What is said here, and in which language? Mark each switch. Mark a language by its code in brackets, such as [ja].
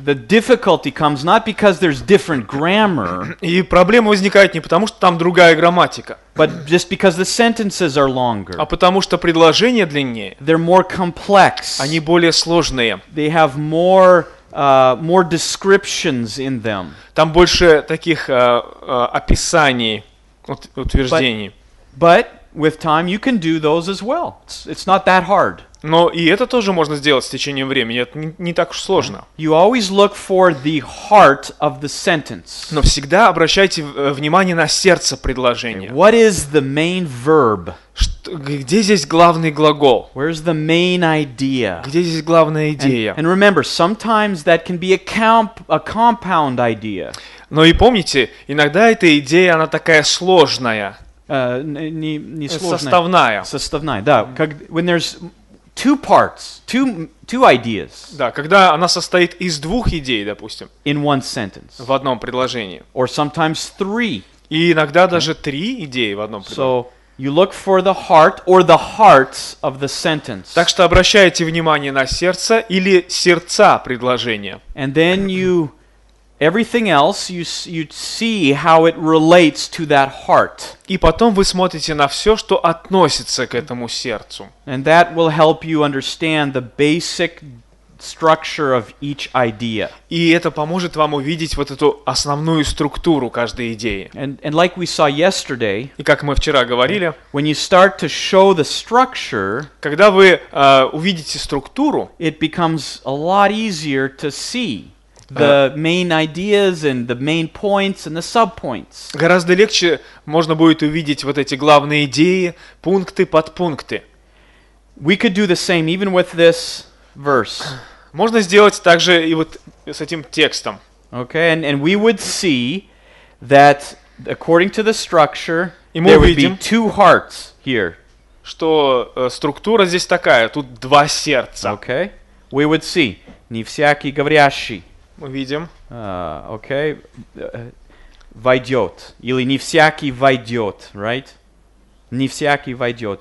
[en] The difficulty comes not because there's different grammar. [ru] И проблема возникает не потому, что там другая грамматика. [en] But just because the sentences are longer. [ru] А потому что предложения длиннее. [en] They're more complex. [ru] Они более сложные. [en] They have more descriptions in them. [ru] Там больше таких описаний, утверждений. [en] But with time you can do those as well. It's not that hard. [ru] Но и это тоже можно сделать с течением времени. Это не так уж сложно. [en] You always look for the heart of the sentence. [ru] Но всегда обращайте внимание на сердце предложения. [en] Okay. What is the main verb? [ru] Где здесь главный глагол? [en] Where's the main idea? [ru] Где здесь главная идея? [en] And remember, sometimes that can be a compound idea. [ru] Но и помните, иногда эта идея, она такая сложная. Не сложная. Составная, да. [en] When there's two parts, two ideas. [ru] Да, когда она состоит из двух идей, допустим. [en] In one sentence. [ru] В одном предложении. [en] Or sometimes three. [ru] И иногда даже три идеи в одном предложении. [en] So you look for the heart or the hearts of the sentence. [ru] Так что обращайте внимание на сердце или сердца предложения. [en] And then everything else you see how it relates to that heart. [ru] И потом вы смотрите на все, что относится к этому сердцу. [en] And that will help you understand the basic structure of each idea. [ru] И это поможет вам увидеть вот эту основную структуру каждой идеи. [en] And like we saw yesterday, [ru] и как мы вчера говорили, [en] when you start to show the structure, [ru] когда вы увидите структуру, [en] it becomes a lot easier to see the main ideas and the main points and the subpoints. [ru] Гораздо легче можно будет увидеть вот эти главные идеи, пункты, подпункты. [en] We could do the same even with this verse. [ru] Можно сделать так же и вот с этим текстом. [en] Okay, and we would see that according to the structure, there would be two hearts here. [ru] что структура здесь такая, тут два сердца. [en] Okay. We would see. [ru] Не всякий говорящий. Мы видим. Okay. Войдет. Или не всякий войдет, right? Не всякий войдет.